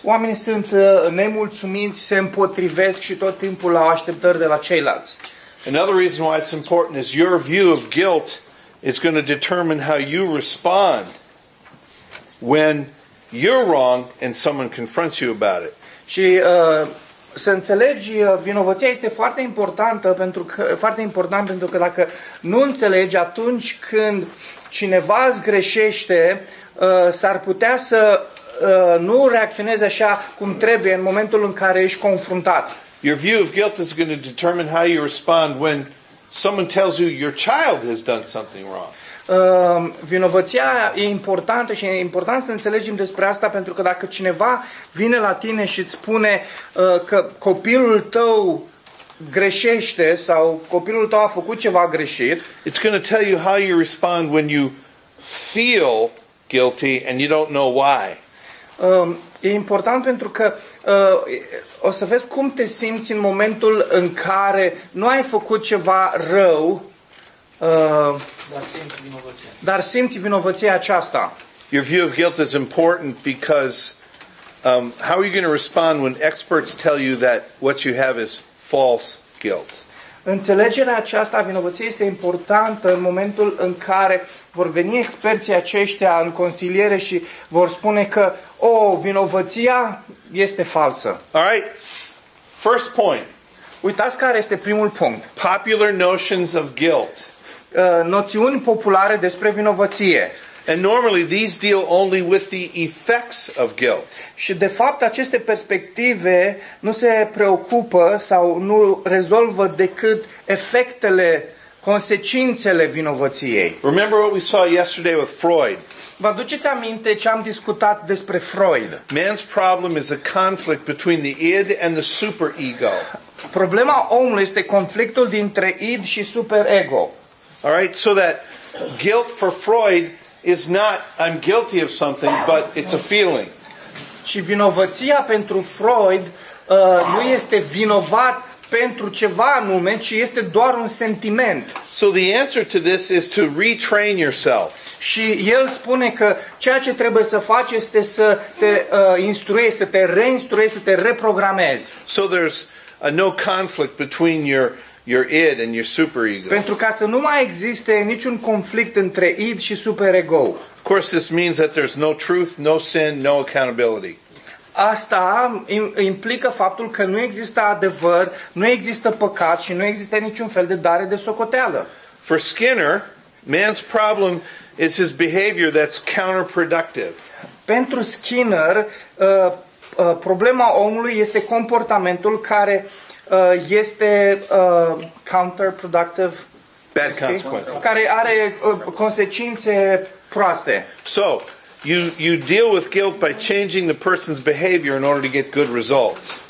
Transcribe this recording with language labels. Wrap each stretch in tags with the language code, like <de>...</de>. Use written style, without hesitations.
<ro>Oamenii sunt nemulțumiți, se împotrivesc și tot timpul au așteptări de la ceilalți.</ro> <en>Another reason why it's important is your view of guilt is going to determine how you respond when you're wrong and someone confronts you about it.</en> <ro>Și să înțelegi vinovăția este foarte importantă pentru că dacă nu înțelegi atunci când cineva îți greșește, s-ar putea să nu reacționezi așa cum trebuie în momentul în care ești confruntat.</ro> <en>Your view of guilt is going to determine how you respond when someone tells you your child has done something wrong.</en> <ro>Vinovăția e importantă și e important să înțelegem despre asta pentru că dacă cineva vine la tine și îți spune că copilul tău greșește sau copilul tău a făcut ceva greșit,</ro> <en>it's going to tell you how you respond when you feel guilty and you don't know why.</en> <ro>E important pentru că o să vezi cum te simți în momentul în care nu ai făcut ceva rău. Dar simți vinovăția aceasta.</ro> <en>Your view of guilt is important because how are you going to respond when experts tell you that what you have is false guilt?</en> <ro>Înțelegerea aceasta a vinovăției este importantă în momentul în care vor veni experții aceștia în consiliere și vor spune că vinovăția este falsă.</ro> <en>All right. First point.</en> <ro>Uitați care este primul punct.</ro> <en>Popular notions of guilt.</en> <ro>Noțiuni populare despre vinovăție.</ro> <en>And normally these deal only with the effects of guilt.</en> <ro>Și de fapt aceste perspective nu se preocupă sau nu rezolvă decât efectele, consecințele vinovăției.</ro> <en>Remember what we saw yesterday with Freud.</en> <ro>Vă aduceți aminte ce am discutat despre Freud?</ro> <en>Man's problem is a conflict between the id and the superego.</en> <ro>Problema omului este conflictul dintre id și superego.</ro> <en>All right, so that guilt for Freud is not I'm guilty of something, but it's a feeling.</en> <ro>Și vinovăția pentru Freud nu este vinovat pentru ceva anume, ci este doar un sentiment.</ro> <en>So the answer to this is to retrain yourself.</en> <ro>Și el spune că ceea ce trebuie să faci este să te instruiești, să te reinstruiești, să te reprogramezi.</ro> <en>So there's no conflict between your id and your superego.</en> <ro>Pentru ca să nu mai existe niciun conflict între id și superego.</ro> <en>Of course this means that there's no truth, no sin, no accountability.</en> <ro>Asta implică faptul că nu există adevăr, nu există păcat și nu există niciun fel de dare de socoteală.</ro> <en>For Skinner, man's problem is his behavior that's counterproductive.</en> <ro>Pentru Skinner, problema omului este comportamentul care este counterproductive.</ro> <en>Bad consequences.</en> <ro>Care are consecințe proaste.</ro> <en>So, you deal with guilt by changing the person's behavior in order to get good results.</en>